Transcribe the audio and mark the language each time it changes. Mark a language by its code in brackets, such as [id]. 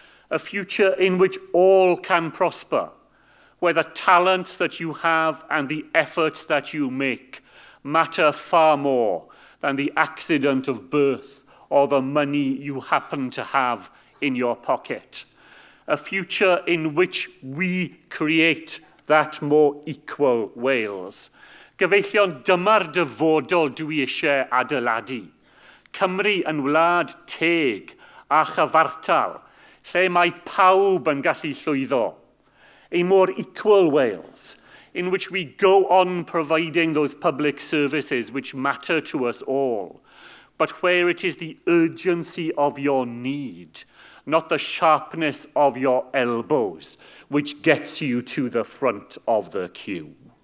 [en] A future in which all can prosper, where the talents that you have and the efforts that you make matter far more than the accident of birth or the money you happen to have in your pocket. A future in which we create that more equal Wales. [cy] Gyfeillion, dyma'r dyfodol dwi eisiau adeiladu. Cymru yn wlad teg a chyfartal, lle mae pawb yn gallu llwyddo. [en] A more equal Wales, in which we go on providing those public services which matter to us all, but where it is the urgency of your need, not the sharpness of your elbows, which gets you to the front of the queue.